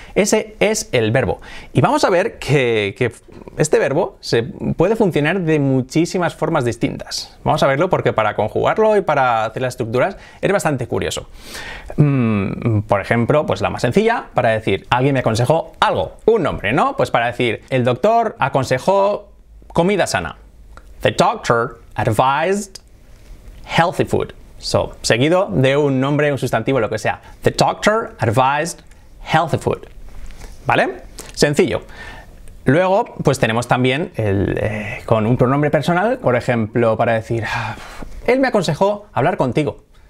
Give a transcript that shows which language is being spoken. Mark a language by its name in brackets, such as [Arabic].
[Spanish] Ese es el verbo. Y vamos a ver que este verbo se puede funcionar de muchísimas formas distintas. Vamos a verlo porque para conjugarlo y para hacer las estructuras es bastante curioso. Por ejemplo, pues la más sencilla, para decir, alguien me aconsejó algo, un nombre, ¿no? Pues para decir, el doctor aconsejó comida sana. [English] The doctor advised healthy food. [Spanish] So, seguido de un nombre, un sustantivo, lo que sea. [English] The doctor advised healthy food. [Spanish] ¿Vale? Sencillo. Luego, pues tenemos también con un pronombre personal, por ejemplo, para decir, él me aconsejó hablar contigo.